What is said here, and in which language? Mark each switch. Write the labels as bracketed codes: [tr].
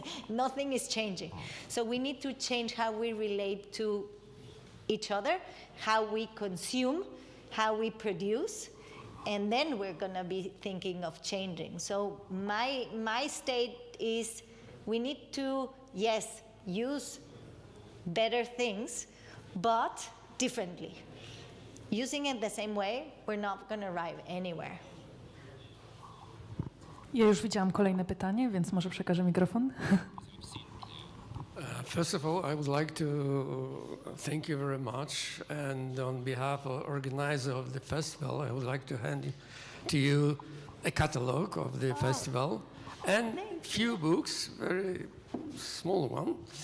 [en] Nothing is changing. So we need to change how we relate to each other, how we consume, how we produce, and then we're gonna be thinking of changing. So my state is we need to, yes, use better things, but differently. Using it the same way, we're not gonna arrive anywhere. [pl] Ja już widziałam kolejne pytanie, więc może przekażę mikrofon. [en] First of all, I would like to thank you very much, and on behalf of organizer of the festival, I would like to hand to you a catalog of the festival and few books, very small one.